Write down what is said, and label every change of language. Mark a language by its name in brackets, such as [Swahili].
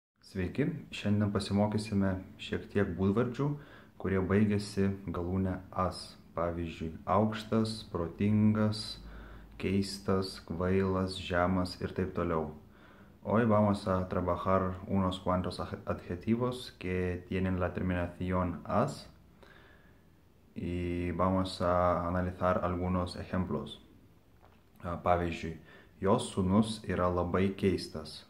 [Lithuanian] Sveiki, šiandien pasimokysime šiek tiek būdvardžių, kurie baigiasi galūne as. Pavyzdžiui, aukštas, protingas, keistas, kvailas, žemas ir taip toliau. [Spanish] Hoy vamos a trabajar unos cuantos adjetivos que tienen la terminación as y vamos a analizar algunos ejemplos. [Lithuanian] Pavyzdžiui, jos sūnus yra labai keistas.